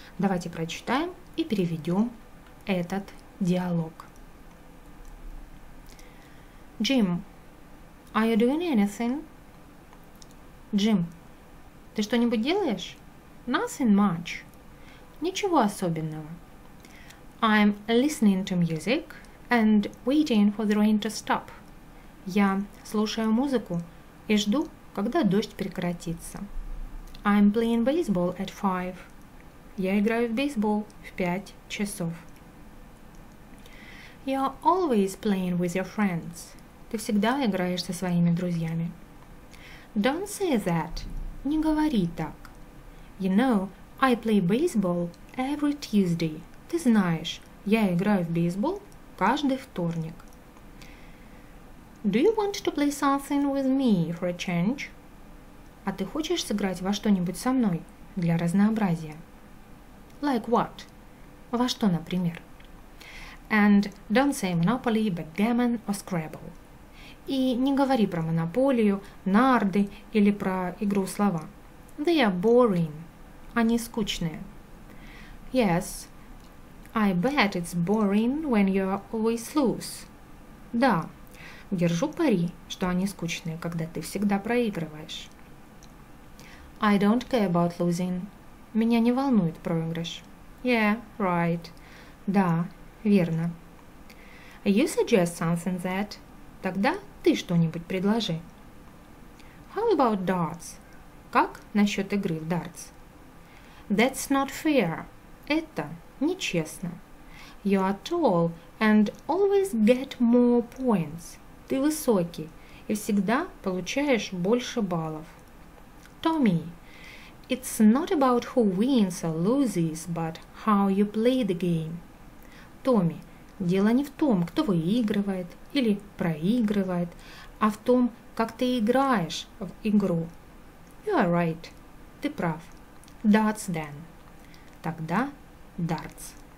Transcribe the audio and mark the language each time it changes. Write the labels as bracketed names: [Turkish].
[Russian] Давайте прочитаем и переведем этот диалог. [English] Джим, are you doing anything? [Russian] Джим, ты что-нибудь делаешь? [English] Nothing much. [Russian] Ничего особенного. [English] I'm listening to music and waiting for the rain to stop. [Russian] Я слушаю музыку и жду, когда дождь прекратится. [English] I'm playing baseball at 5. [Russian] Я играю в бейсбол в 5 часов. [English] You're always playing with your friends. [Russian] Ты всегда играешь со своими друзьями. [English] Don't say that. [Russian] Не говори так. [English] You know, I play baseball every Tuesday. [Russian] Ты знаешь, я играю в бейсбол каждый вторник. [English] Do you want to play something with me for a change? [Russian] А ты хочешь сыграть во что-нибудь со мной для разнообразия? [English] Like what? [Russian] Во что, например? [English] And don't say Monopoly, backgammon or Scrabble. [Russian] И не говори про монополию, нарды или про игру слова. [English] They are boring. [Russian] Они скучные. [English] Yes, I bet it's boring when you always lose. [Russian] Да, держу пари, что они скучные, когда ты всегда проигрываешь. [English] I don't care about losing. [Russian] Меня не волнует проигрыш. [English] Yeah, right. [Russian] Да, верно. [English] You suggest something that? [Russian] Тогда ты что-нибудь предложи. [English] How about darts? [Russian] Как насчет игры в дартс? [English] That's not fair. [Russian] Это нечестно. [English] You are tall and always get more points. [Russian] Ты высокий и всегда получаешь больше баллов. [English] Tommy, it's not about who wins or loses, but how you play the game. [Russian] Томми, дело не в том, кто выигрывает или проигрывает, а в том, как ты играешь в игру. [English] You are right. [Russian] Ты прав. [English] Darts then. [Russian] Тогда [English] darts.